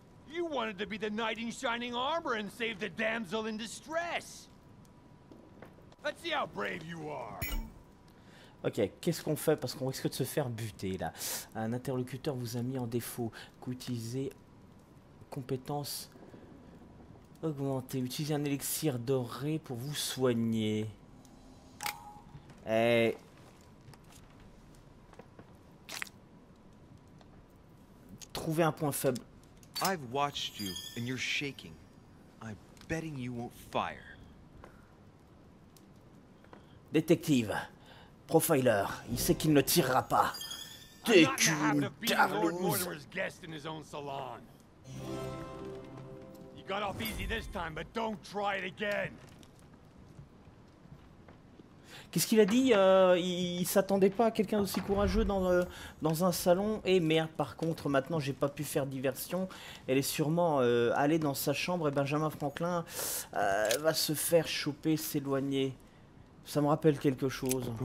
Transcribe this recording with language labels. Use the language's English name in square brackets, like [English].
[English] You wanted to be the knight in shining armor and save the damsel in distress. Let's see how brave you are. [French] Ok, qu'est-ce qu'on fait? Parce qu'on risque de se faire buter là. Un interlocuteur vous a mis en défaut. Utilisez compétences augmentées. Utilisez un élixir doré pour vous soigner. Et... trouvez un point faible. [English] I've watched you, and you're shaking. I'm betting you won't fire. [French] Détective, profiler, il sait qu'il ne tirera pas. T'es qu'une tarlouse. [English] Lord Mortimer's guest in his own salon. You got off easy this time, but don't try it again. [French] Qu'est-ce qu'il a dit? Il s'attendait pas à quelqu'un d'aussi courageux dans un salon. Et merde, par contre, maintenant, j'ai pas pu faire diversion. Elle est sûrement allée dans sa chambre et Benjamin Franklin va se faire choper, s'éloigner. Ça me rappelle quelque chose.